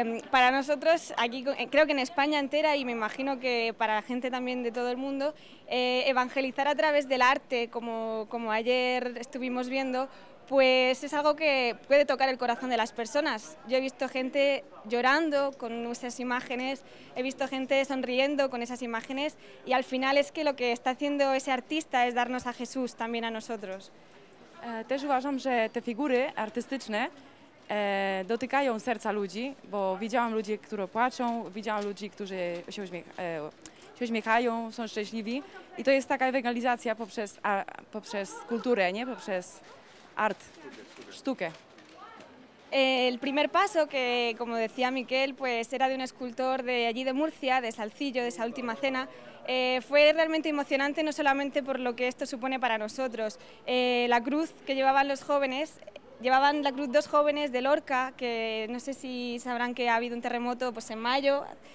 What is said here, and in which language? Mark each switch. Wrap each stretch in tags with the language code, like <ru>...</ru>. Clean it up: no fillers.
<es>Para nosotros, aquí, creo que en España entera y me imagino que para la gente también de todo el mundo, evangelizar a través del arte, como ayer estuvimos viendo, pues es algo que puede tocar el corazón de las personas. Yo he visto gente llorando con esas imágenes, he visto gente sonriendo con esas imágenes y al final es que lo que está haciendo ese artista es darnos a Jesús también a nosotros.</es> <pl>Też uważam, że te figury artystyczne dotykają serca ludzi, bo widziałam ludzi, którzy płaczą, widziałam ludzi, którzy się uśmiechają, są szczęśliwi. I to jest taka ewangelizacja poprzez kulturę, nie? Poprzez art, sztukę.</pl> <es>El primer paso, que como decía Miquel, pues era de un escultor de allí de Murcia, de Salcillo, de esa última cena, fue realmente emocionante, no solamente por lo que esto supone para nosotros. La cruz que llevaban los jóvenes, llevaban la cruz dos jóvenes de Lorca, que no sé si sabrán que ha habido un terremoto pues en mayo.</es>